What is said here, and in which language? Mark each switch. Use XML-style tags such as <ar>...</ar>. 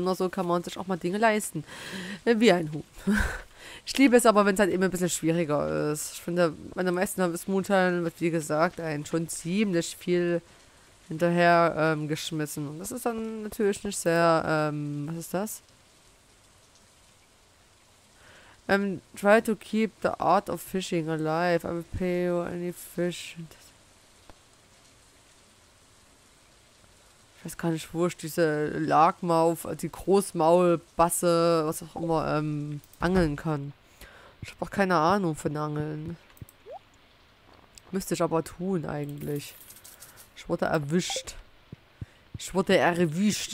<de>Nur so kann man sich auch mal Dinge leisten. Wie ein Huhn. Ich liebe es aber, wenn es halt eben ein bisschen schwieriger ist. Ich finde, bei den meisten Mutteln wird, wie gesagt, einen schon ziemlich viel hinterher geschmissen. Und das ist dann natürlich nicht sehr. Was ist das?</de> <en>Try to keep the art of fishing alive. I will pay you any fish.</en> <de>Ich weiß gar nicht, wo ich diese Largmouth, die Großmaulbasse, was auch immer, angeln kann. Ich habe auch keine Ahnung von Angeln. Müsste ich aber tun, eigentlich. Ich wurde erwischt. Ich wurde erwischt.</de>